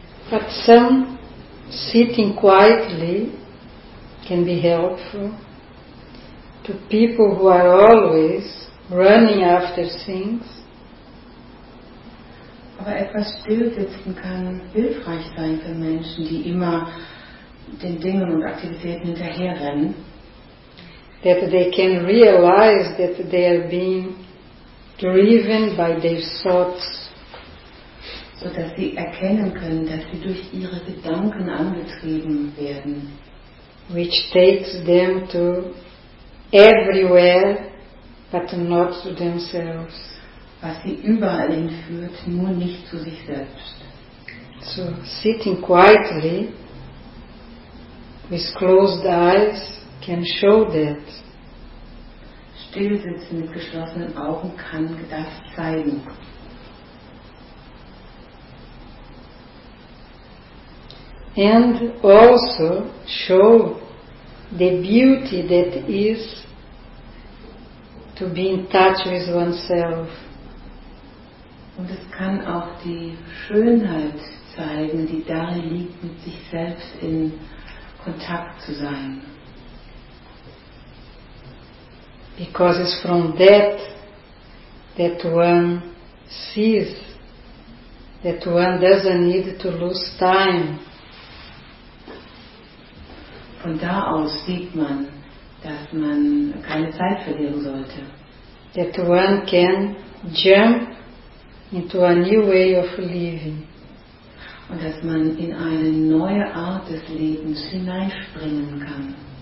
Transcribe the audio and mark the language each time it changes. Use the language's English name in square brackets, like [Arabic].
[English] But some sitting quietly can be helpful to people who are always running after things. [German] Aber etwas still sitzen kann hilfreich sein für Menschen, die immer den Dingen und Aktivitäten hinterherrennen. [English] That they can realize that they are being driven by their thoughts. [German] So dass sie erkennen können, dass sie durch ihre Gedanken angetrieben werden. [English] Which takes them to everywhere, but not to themselves. [German] Was sie überall hinführt, nur nicht zu sich selbst. [English] So, sitting quietly, with closed eyes, can show that. [German] Stillsitzen mit geschlossenen Augen kann das zeigen. [English] And also show the beauty that is to be in touch with oneself. [German] Und es kann auch die Schönheit zeigen, die darin liegt, mit sich selbst in Kontakt zu sein. [English] Because it's from that that one sees that one doesn't need to lose time. [German] Von da aus sieht man, dass man keine Zeit verlieren sollte. [English] That one can jump into a new way of living. [German] Und dass man in eine neue Art des Lebens hineinspringen kann.